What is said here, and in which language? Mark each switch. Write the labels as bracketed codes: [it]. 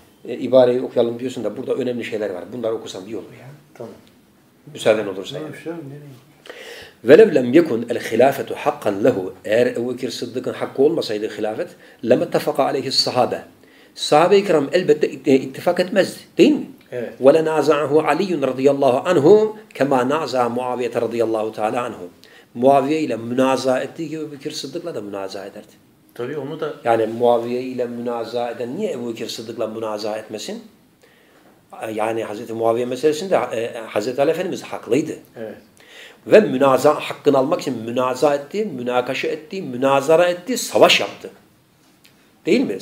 [tr] ibareyi okuyalım diyorsun da burada önemli şeyler var. Bunları okusam iyi olur ya. Tamam. Müsaaden olursa. Tamam, [ar] وَلَوْ لَمْ يَكُنْ الْخِلَافَةُ حَقًّا لَهُ [tr] Eğer Ebu Bekir Sıddık'ın hakkı olmasaydı hilafet, [ar] لَمَ اتَّفَقَ عَلَيْهِ الصَّحَابَ [tr] Sahabe-i kiram elbette ittifak etmezdi, değil mi? Evet. [ar] وَلَنَازَعَهُ عَلِيٌّ رَضِيَ اللّٰهُ عَنْهُ كَمَا نَعْزَى مُعَوِيَةَ رَضِيَ اللّٰهُ تَعَلَى عَنْهُ [tr] Muaviye ile münaza ettiği gibi Ebu Bekir Sıddık'la da münaza ederdi. Tabii onu da... Yani Muaviye ile münaza eden niye Ebu Bekir Sıddık'la münaza etmesin? Yani Hazreti Muaviye meselesinde Hazreti Ali Efendimiz haklıydı. Evet. Ve münaza hakkını almak için münaza etti, münakaşa etti, münazara etti, savaş yaptı. Değil mi?